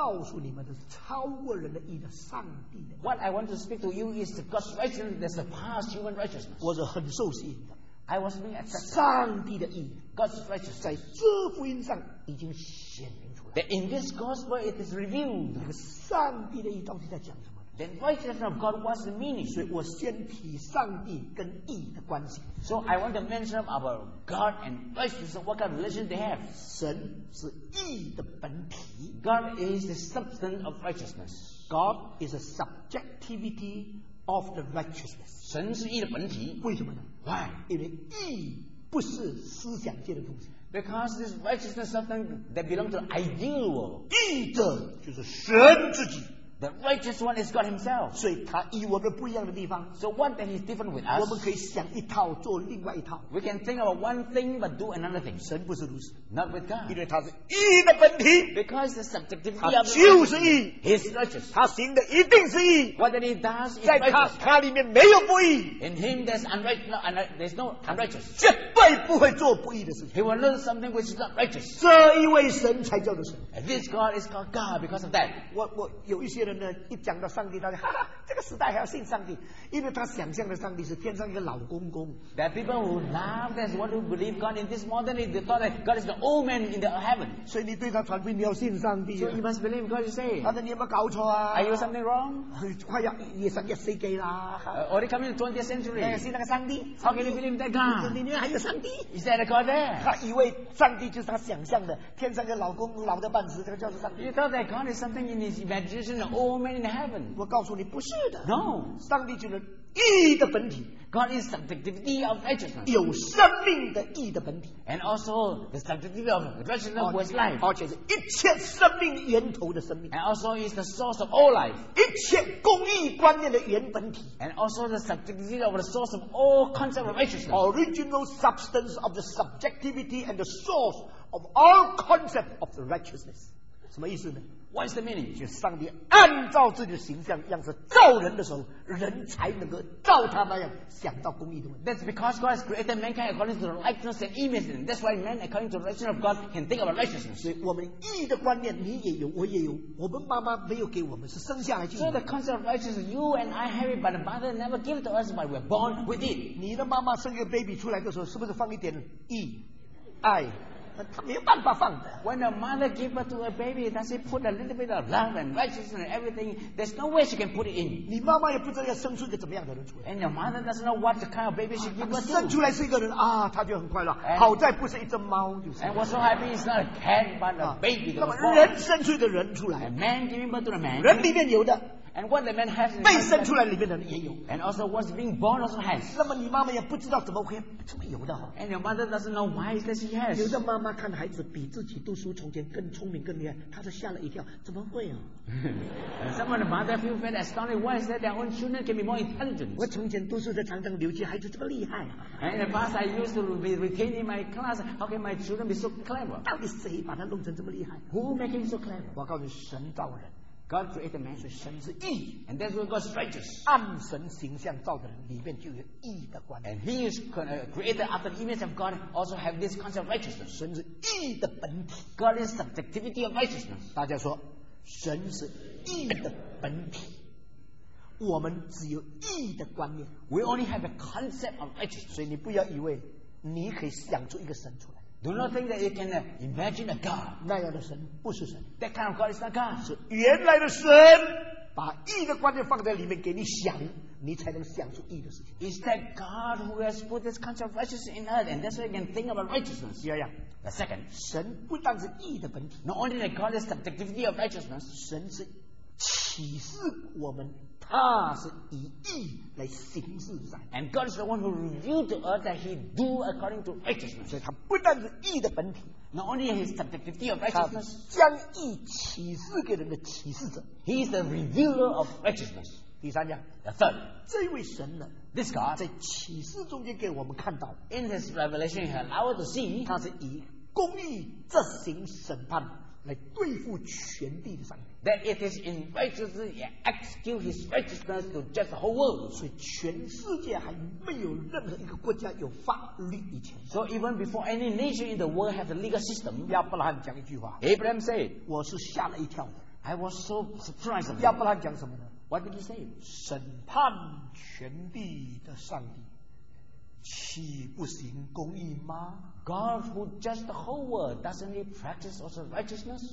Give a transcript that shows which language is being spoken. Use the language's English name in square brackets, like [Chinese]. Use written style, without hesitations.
[Chinese] 我现在要告诉你们的是超过人的义的上帝的。 [English] What I want to speak to you is the God's righteousness that surpassed human righteousness. [Chinese] 我是很受吸引的。 [English] I was being accepted. [Chinese] 上帝的义。 [English] God's righteousness. [Chinese] 在这福音上已经显明。 [English] That in this gospel it is revealed. [Chinese] 那个上帝的义到底在讲什么？ [English] Then righteousness of God was the meaning. [Chinese] 所以我先提上帝跟义的关系。 [English] So I want to mention about God and righteousness, what kind of relation they have. [Chinese] 神是义的本体。 [English] God is the substance of righteousness. God is a subjectivity of the righteousness. [Chinese] 神是义的本体。为什么呢？ [English] Why? [Chinese] 因为义不是思想界的东西。 [English] Because this righteousness is something that belongs to the ideal world. [Chinese] 义者就是神自己。 [English] The righteous one is God himself. [Chinese] 所以他与我们不一样的地方。 [English] So one thing is different with us. [Chinese] 我们可以想一套做另外一套。 [English] We can think about one thing but do another thing. [Chinese] 神不是如此。 [English] Not with God. [Chinese] 因为他是义的本体。 [English] Because the subjectivity [Chinese] of 他就是义。 [English] He's righteous. [Chinese] 他行的一定是义。 [English] What that he does is [Chinese] 在他, [English] righteous. [Chinese] 他里面没有不义。 [English] In him there's there's no unrighteous. [Chinese] 绝对不会做不义的事情。 [English] He will learn something which is not righteous. [Chinese] 这一位神才叫做神。 [English] And this God is called God because of that. [Chinese] 我有一些人人呢，一讲到上帝，大家哈哈，这个时代还要信上帝，因为他想象的上帝是天上一个老公公。 [English] That people who now that's what who believe God in this modern age, they thought that God is the old man in the heaven. [Chinese] 所以你对他传福音，你要信上帝。 [English] So you must believe God is saying. [Chinese] 或者你有没有搞错啊 [English] ？Are you something wrong？ [Chinese] 快要21世纪啦。 [English] Already coming to 20th century. [Chinese] 你信那个上帝 [English] ？How can you believe that God？ [Chinese] 里面还有上帝 [English] ？Is there a God there？ [Chinese] 他以为上帝就是他想象的天上一个老公老的半死，这个叫做上帝。 [English] You thought that God is something in his imagination, an old man in heaven. [Chinese] 我告诉你不是的。 [English] No， [Chinese] 上帝就是义的本体。 [English] God is subjectivity of righteousness， [Chinese] 有生命的义的本体。 [English] And also the subjectivity of righteousness was life， [Chinese] 而且是一切生命源头的生命。 [English] And also is the source of all life， [Chinese] 一切公义观念的原本体。 [English] And also the subjectivity of the source of all concept of righteousness， original substance of the subjectivity and the source of all concept of the righteousness。 [Chinese] 什么意思呢？ [English] What is the meaning？ [Chinese] 就是上帝按照自己的形象样式造人的时候，人才能够照他那样想到公义的问题。 [English] That's because God has created mankind according to the likeness and image. That's why man, according to the righteousness of God, can think about righteousness. [Chinese] 所以我们义的观念你也有，我也有。我们妈妈没有给我们，是生下来就有。 [English] So the concept of righteousness you and I have it, but the mother never gave it to us, but we're born with it. [Chinese] 你的妈妈生一个 baby 出来的时候，是不是放一点义、爱？他没有办法放的。 [English] When a mother gives birth to a baby, does she put a little bit of love and righteousness and everything? There's no way she can put it in. [Chinese] 你妈妈也不知道要生出一个怎么样的人出来。 [English] And your mother doesn't know what kind of baby she gives birth to. [Chinese] 生出来是一个人啊，他就很快乐。好在不是一只猫，就是。 [English] And what's so happy is not a cat, but a baby. [Chinese] 那么人生出一个人出来。 [English] A man giving birth to a man. [Chinese] 人里面有的。 [English] And what the man has, [Chinese] 被生出来里面的人也有。 [English] And also what's being born also has. [Chinese] 那么你妈妈也不知道怎么会这么有的哈。 [English] And your mother doesn't know why that she has. [Chinese] 有的妈妈看孩子比自己读书从前更聪明更厉害，她都吓了一跳，怎么会啊？ [English] Some of the mother feel very astonished. Why is that their own children can be more intelligent? [Chinese] 我从前读书的常常留级，孩子这么厉害啊。 [English] And in the past I used to be retained in my class. How can my children be so clever? [Chinese] 到底谁把他弄成这么厉害？ [English] Who make him so clever? [Chinese] 我告诉你，神造人。 [English] God created man， [Chinese] 所以神是义 [English] ，and that's why God's righteous。 [Chinese] 按神形象造的人里面就有义的观念。 [English] And he is created after the image of God, also have this concept of righteousness。 [Chinese] 神是义的本体。 [English] God is subjectivity of righteousness。 [Chinese] 大家说，神是义的本体，我们只有义的观念。 [English] We only have a concept of righteousness。 [Chinese] 所以你不要以为你可以想出一个神出来。 [English] Do not think that you can imagine a God. [Chinese] 那样的神不是神。 [English] That kind of God is not God. [Chinese] 是原来的神把义的观念放在里面给你想，你才能想出义的事情。 [English] Is that God who has put this concept of righteousness in us, and that's why you can think about righteousness? Yeah, yeah. The second, [Chinese] 神不但是义的本体。 [English] Not only that God is the subjectivity of righteousness, [Chinese] 神是启示我们。他是以义来行事上。 [English] And God is the one who revealed to us that he do according to righteousness. [Chinese] 所以他不但是义的本体。 [English] Not only is he subjectivity of righteousness. [Chinese] 他将义启示给人的启示者。 [English] He is the revealer of righteousness. [Chinese] 第三样。 [English] The third. [Chinese] 这位神呢。 [English] This God. [Chinese] 在启示中间给我们看到。 [English] In his revelation he allowed to see. [Chinese] 他是以公义执行审判。来对付全地的上帝。 [English] That it is in righteousness, he execute his righteousness to judge the whole world. [Chinese] 所以全世界还没有任何一个国家有法律以前。 [English] So even before any nation in the world has a legal system. [Chinese] 亚伯拉罕讲一句话。 [English] Abraham said, [Chinese] 我是吓了一跳的。 [English] I was so surprised. [Chinese] 亚伯拉罕讲什么呢？ [English] What did he say? [Chinese] 审判全地的上帝，岂不行公义吗？ [English] God who judges the whole world, doesn't he practice also righteousness?